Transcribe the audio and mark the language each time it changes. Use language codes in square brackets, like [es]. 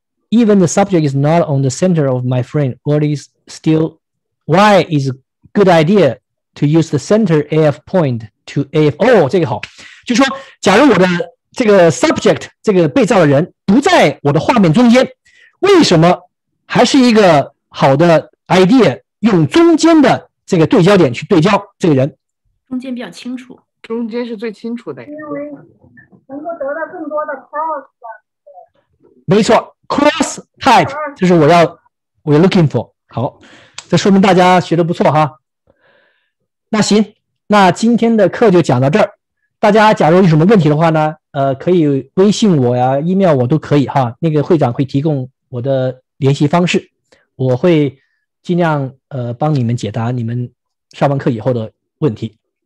[en] Even the subject is not on the center of my frame, what is still, why is a good idea to use the center AF point to AF? [zh] 哦，这个好。就说假如我的这个 subject, 这个被照的人不在我的画面中间，为什么还是一个好的 idea， 用中间的这个对焦点去对焦这个人，中间比较清楚，中间是最清楚的，因为能够得到更多的 cross。没错， cross type 就是我要 [en] looking for。 [zh] 好，这说明大家学的不错哈。那行，那今天的课就讲到这儿。大家假如有什么问题的话呢，可以微信我呀， email 我都可以哈，那个会长会提供我的联系方式，我会尽量帮你们解答你们上完课以后的问题。